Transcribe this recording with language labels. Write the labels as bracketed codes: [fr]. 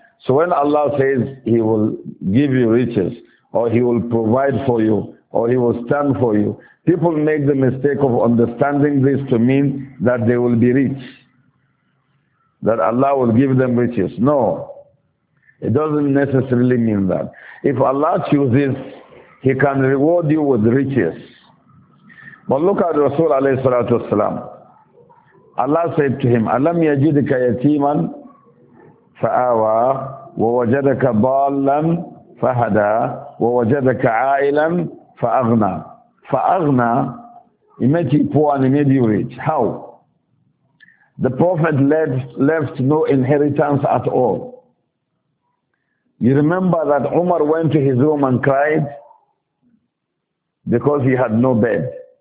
[en] So when Allah says he will give you riches, or he will provide for you, or he will stand for you, people make the mistake of understanding this to mean that they will be rich, that Allah will give them riches. No, it doesn't necessarily mean that. If Allah chooses, he can reward you with riches. But look at Rasul alayhi salatu wasalam. Allah said to him, [ar] أَلَمْ يَجِدْكَ يَتِيمًا فَآوَى وَوَجَدَكَ ضَالًّا فَهَدَى وَوَجَدَكَ عَائِلًا فَأَغْنَى فَأَغْنَى. [en] He made you poor and he made you rich. How? The Prophet left no inheritance at all. You remember that Umar went to his room and cried because he had no bed.